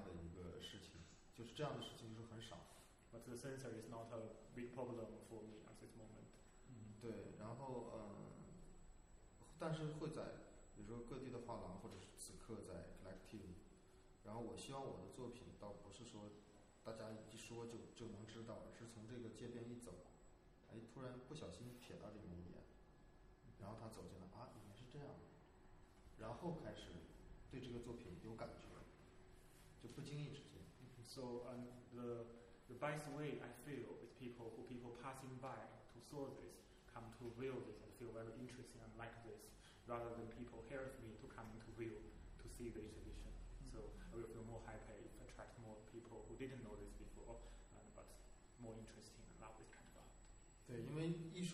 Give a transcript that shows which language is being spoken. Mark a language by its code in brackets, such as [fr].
[zh] 对，然后但实际上，实际上就是说，不会遇到这样的一个事情，就是这样的事情就是很少。 [en] But the sensor is not a big problem for me at this moment. [zh] 对，然后但是会在比如说各地的画廊，或者是此刻在 collective，然后我希望我的作品倒不是说大家一说就能知道，而是从这个街边一走，哎，突然不小心瞥到这个物件，然后他走进来啊，里面是这样，然后开始对这个作品有感觉，就不经意之间。 [en] So and the best way I feel with people passing by to saw this, come to view this and feel very interesting and like this, rather than people hear of me to come to view to see the exhibition. Mm-hmm. So I will feel more happy if attract more people who didn't know this before, but more interesting and love this kind of art.